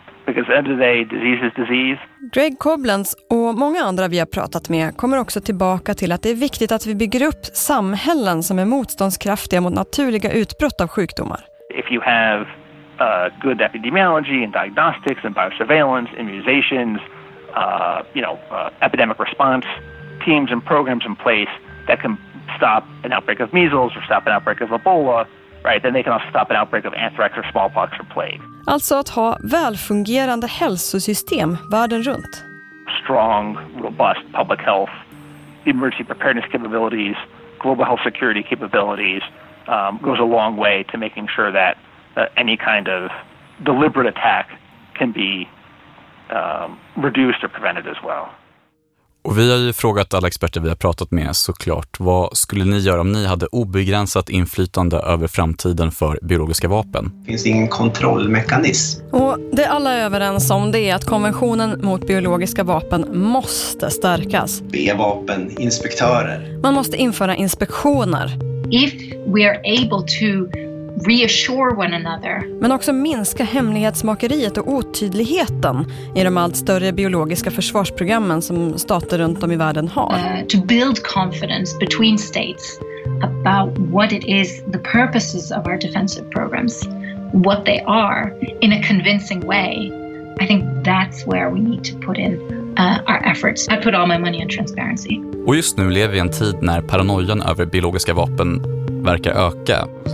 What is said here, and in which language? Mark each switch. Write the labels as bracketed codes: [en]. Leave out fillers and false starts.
[en] Because at the end of the day, disease is disease. [sv] Greg Koblenz och många andra vi har pratat med kommer också tillbaka till att det är viktigt att vi bygger upp samhällen som är motståndskraftiga mot naturliga utbrott av sjukdomar. [en] If you have good epidemiology and diagnostics and biosurveillance, immunizations, epidemic response teams and programs in place that can stop an outbreak of measles or stop an outbreak of Ebola, right, then they can also stop an outbreak of anthrax or smallpox or plague. [sv] Alltså att ha välfungerande hälsosystem världen runt. [en] Strong, robust public health, emergency preparedness capabilities, global health security capabilities goes a long way to making sure that any kind of deliberate attack can be reduced or prevented as well. [sv] Och vi har ju frågat alla experter vi har pratat med såklart, vad skulle ni göra om ni hade obegränsat inflytande över framtiden för biologiska vapen? Finns det ingen kontrollmekanism? Och det alla är överens om det är att konventionen mot biologiska vapen måste stärkas. B-vapen, inspektörer. Man måste införa inspektioner. [en] If we are able to reassure one another. [sv] Men också minska hemlighetsmakeriet och otydligheten i de allt större biologiska försvarsprogrammen som stater runt om i världen har. [en] To build confidence between states about what it is the purposes of our defensive programs, what they are in a convincing way. I think that's where we need to put in our efforts. I put all my money on transparency. [sv] Och just nu lever vi i en tid när paranoian över biologiska vapen verkar öka.